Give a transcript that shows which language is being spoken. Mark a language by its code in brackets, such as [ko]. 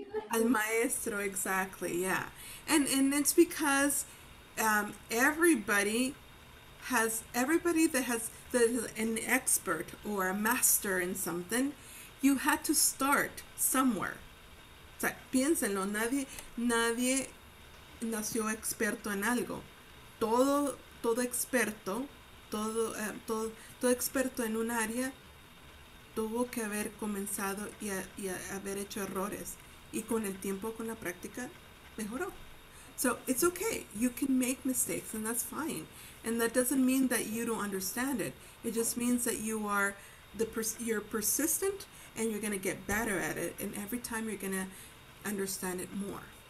[es] Al maestro, [en] exactly, yeah. And it's because everybody that has an expert or a master in something, you had to start somewhere. [es] O sea, piénsenlo, nadie nació experto en algo. Todo experto en un área tuvo que haber comenzado y haber hecho errores. Y con el tiempo, con la práctica, mejoró. [en] So it's okay, you can make mistakes and that's fine. And that doesn't mean that you don't understand it. It just means that you are you're persistent and you're gonna get better at it. And every time you're gonna understand it more.